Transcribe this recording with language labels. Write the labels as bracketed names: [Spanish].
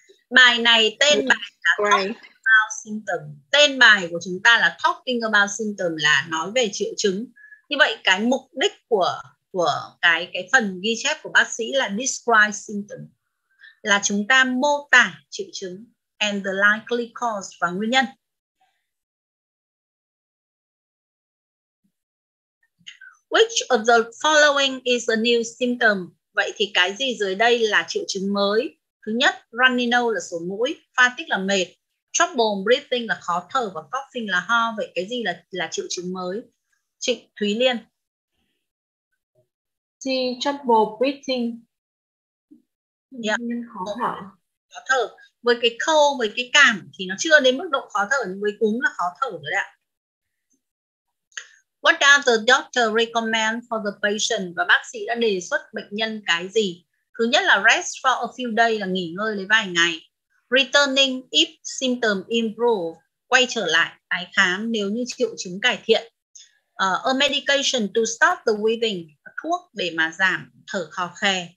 [Vietnamese] Bài này tên bài là [English] talking about symptom. [Vietnamese] Tên bài của chúng ta là talking about symptom, là nói về triệu chứng. Như vậy cái mục đích của cái phần ghi chép của bác sĩ là [English] describe symptoms, [Vietnamese] là chúng ta mô tả triệu chứng [English] and the likely cause [Vietnamese] và nguyên nhân. [English] Which of the following is a new symptom? [Vietnamese] Vậy thì cái gì dưới đây là triệu chứng mới? Thứ nhất, runny nose là sổ mũi, fatigue là mệt, trouble breathing là khó thở và coughing là ho. Vậy cái gì là triệu chứng mới? Chị Thúy Liên. Thì trouble breathing. [English] Yeah. [Vietnamese] Khó thở. Khó thở. Với cái cold, với cái cảm thì nó chưa đến mức độ khó thở, nhưng với cúm là khó thở rồi đấy ạ. [English] What does the doctor recommend for the patient? [Vietnamese] Và bác sĩ đã đề xuất bệnh nhân cái gì? Thứ nhất là [English] rest for a few days, [Vietnamese] là nghỉ ngơi lấy vài ngày. [English] Returning if symptom improve, [Vietnamese] quay trở lại tái khám nếu như triệu chứng cải thiện. [English] A medication to stop the wheezing, [Vietnamese] thuốc để mà giảm thở khò khè.